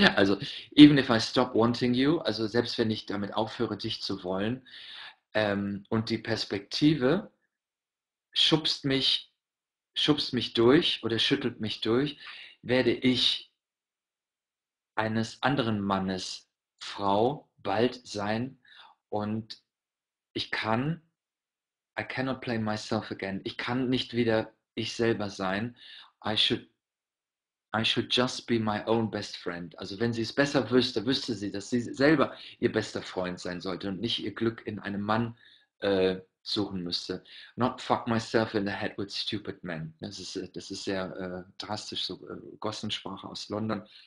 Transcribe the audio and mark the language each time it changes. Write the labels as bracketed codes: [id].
[de] Also, [en] even if I stop wanting you, [de] also selbst wenn ich damit aufhöre, dich zu wollen, und die Perspektive schubst mich durch oder schüttelt mich durch, werde ich eines anderen Mannes Frau bald sein und [en] I cannot play myself again. [de] Ich kann nicht wieder ich selber sein. [en] I should just be my own best friend. [de] Also wenn sie es besser wüsste, wüsste sie, dass sie selber ihr bester Freund sein sollte und nicht ihr Glück in einem Mann suchen müsste. [en] Not fuck myself in the head with stupid men. [de] Das ist sehr drastisch, so Gossensprache aus London.